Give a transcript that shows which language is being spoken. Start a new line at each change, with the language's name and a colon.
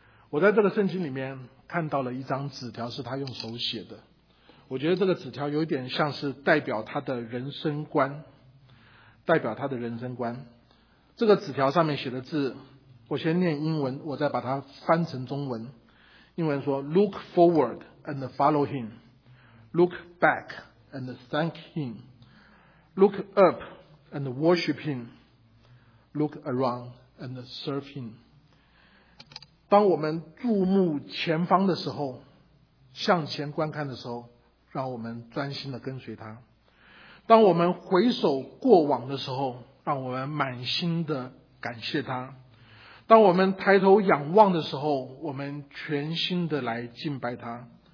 Chinese: 我在这个圣经里面看到了一张纸条，是他用手写的，我觉得这个纸条有点像是代表他的人生观，代表他的人生观。这个纸条上面写的字，我先念英文，我再把它翻成中文。英文说
English: Look forward and follow him, Look back and thank him, Look up and worship him, Look around and serve him。
Chinese: 当我们注目前方的时候，向前观看的时候，让我们专心的跟随他。当我们回首过往的时候，让我们满心的感谢他。当我们抬头仰望的时候，我们全心的来敬拜他。